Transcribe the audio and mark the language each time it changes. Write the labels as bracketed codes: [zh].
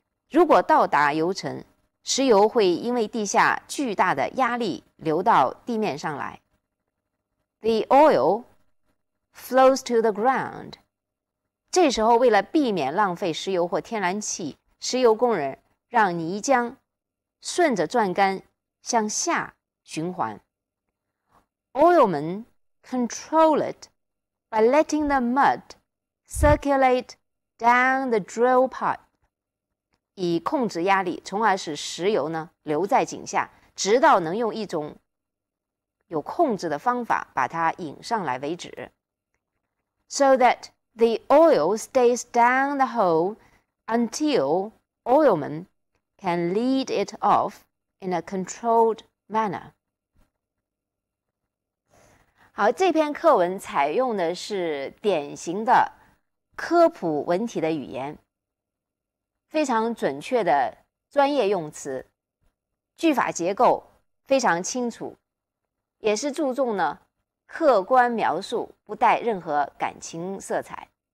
[zh] 如果到达油层，石油会因为地下巨大的压力流到地面上来。 [en] The oil flows to the ground. [zh] 这时候为了避免浪费石油或天然气，石油工人让泥浆顺着钻杆向下循环。 [en] Oilmen control it by letting the mud circulate down the drill pipe. [zh] 以控制压力，从而使石油呢留在井下，直到能用一种有控制的方法把它引上来为止。 [en] So that the oil stays down the hole until oilmen can lead it off in a controlled manner. [zh] 好，这篇课文采用的是典型的科普文体的语言，非常准确的专业用词，句法结构非常清楚，也是注重呢客观描述，不带任何感情色彩。